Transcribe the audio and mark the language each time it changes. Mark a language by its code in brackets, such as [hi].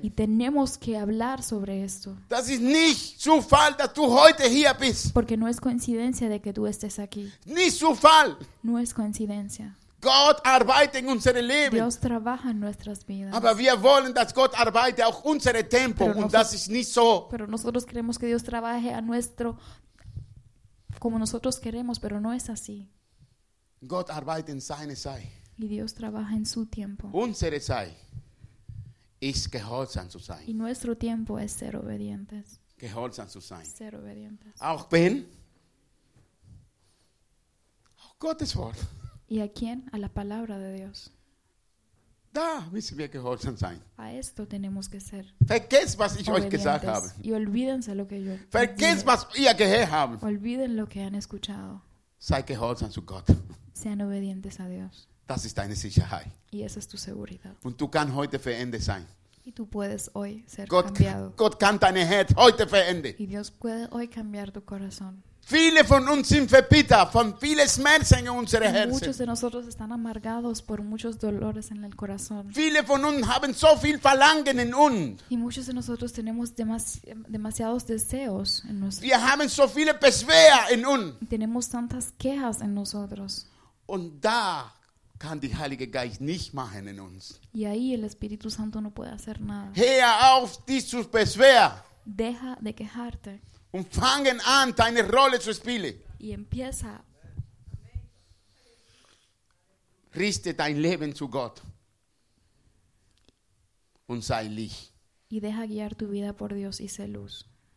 [es] Y tenemos que hablar sobre esto. [de] Das ist nicht Zufall, dass du heute hier bist. [es] Porque no es coincidencia de que tú estés aquí. [de] Ni Zufall. [es] No es coincidencia. [de] Gott arbeitet in unserem Leben. [es] Dios trabaja en nuestras vidas. [de] Aber wir wollen, dass Gott arbeite auch unsere Tempo. [es] Pero [de] und das ist nicht so. [es] Pero nosotros queremos que Dios trabaje a nuestro como nosotros queremos, pero no es así. [de] Gott arbeitet in seine Zeit. [es] Y Dios trabaja en su tiempo. [de] Unsere Zeit ist gehorsam zu sein. [es] Y nuestro tiempo es ser obedientes. [de] Gehorsam zu sein. [es] Ser obedientes. [de] Auch wenn auch Gottes Wort. [es] ¿Y a quién? A la palabra de Dios. [de] Da müssen wir gehorsam sein. [es] A esto tenemos que ser. [de] Vergesst, was ich euch gesagt habe. [es] Y olvídense lo que yo. [de] Vergesst, was ihr gehört habt. [es] Olviden lo que han escuchado. [de] Sei gehorsam zu Gott. [es] Sean obedientes a Dios. [de] Das ist deine Sicherheit. [es] Y esa es tu seguridad. [de] Und du kannst heute verändert sein. [es] Y tú puedes hoy ser [de] Gott, [es] cambiado. [de] Gott kann deine Herz heute verändern. [es] Y Dios puede hoy cambiar tu corazón. [de] Viele von uns sind verbittert von vielen Schmerzen in unserem Herzen. [es] Muchos de nosotros están amargados por muchos dolores en el corazón. [de] Viele von uns haben so viel Verlangen in uns. [es] Y muchos de nosotros tenemos demasiados deseos en nosotros. [de] Wir haben so viele Beschwerden in uns. [es] Y tenemos tantas quejas en nosotros. [de] Und da kann der Heilige Geist nicht machen in uns. [es] Y ahí el Espíritu Santo no puede hacer nada. [de] Hör auf, dich zu beschweren. [es] Deja de quejarte. [de] Und fangen an, deine Rolle zu spielen. [es] Y empieza. [de] Richte dein Leben zu Gott. Und sei Licht. [es] Y deja guiar tu vida por Dios y sé luz.